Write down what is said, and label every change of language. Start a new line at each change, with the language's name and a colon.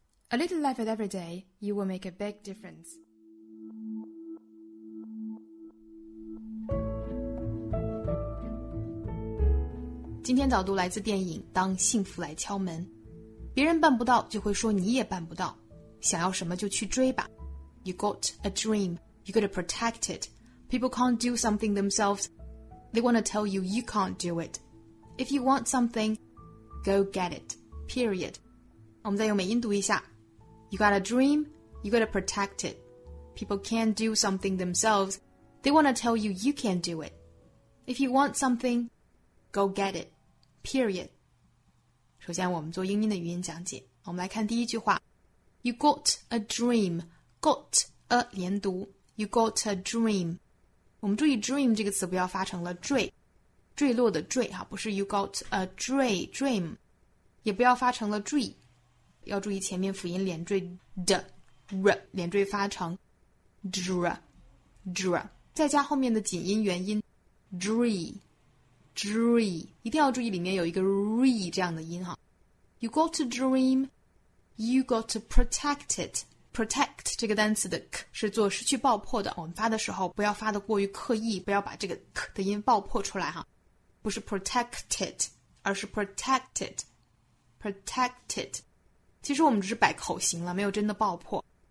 English: A little life every day, you will make a big difference.
Chinese: 今天早读来自电影《当幸福来敲门》，别人办不到就会说你也办不到，想要什么就去追吧。
English: You got a dream, you gotta protect it. People can't do something themselves. They wanna tell you you can't do it. If you want something, go get it. Period.
Chinese: 我们再用美音读一下
English: ：You got a dream, you gotta protect it. People can't do something themselves. They wanna tell you you can't do it. If you want something. Go get it. Period.
Chinese: 首先我们做英音的语音讲解。我们来看第一句话。
English: You got a dream. Got a
Chinese: 连读。
English: You got a dream.
Chinese: 我们注意 dream 这个词不要发成了坠。坠落的坠哈，不是
English: you got a dream.
Chinese: 也不要发成了坠。要注意前面辅音连坠的 r 连坠发成 dr. 再加后面的紧音元音 dream. 一定要注意里面有一个 re 这样的音哈。
English: You got a dream, you got to protect it.
Chinese: Protect 这个单词的 k 是做失去爆破的，我们发的时候不要发的过于刻意，不要把这个 k 的音爆破出来哈。不是
English: protect it,
Chinese: 而是
English: protect it. Protect it.
Chinese: 其实我们只是摆口型了，没有真的爆破。